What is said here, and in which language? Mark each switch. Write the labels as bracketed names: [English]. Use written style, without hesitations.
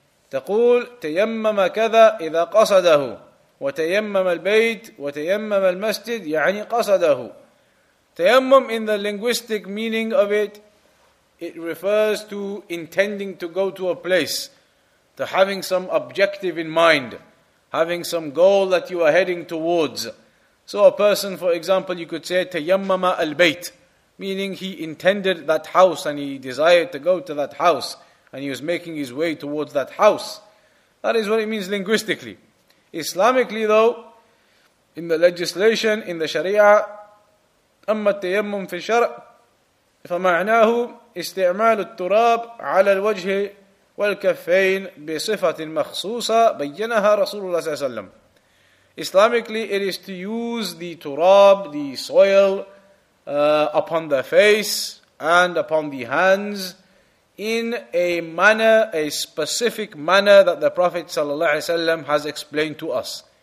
[Arabic] تقول تيمم كذا إذا قصده وتيمم البيت وتيمم المسجد يعني قصده. [English] تيمم in the linguistic meaning of it, it refers to intending to go to a place, to having some objective in mind, having some goal that you are heading towards. So a person, for example, you could say [Arabic] تيمم البيت, [English] meaning he intended that house and he desired to go to that house and he was making his way towards that house. That is what it means linguistically. Islamically though, in the legislation, in the Sharia, [Arabic] أما التيمم في الشرع فمعناه استعمال التراب على الوجه والكفين بصفة مخصوصة بينها رسول الله صلى الله عليه وسلم. [English] Islamically, it is to use the turab, the soil, upon the face and upon the hands in a manner, a specific manner that the Prophet ﷺ has explained to us.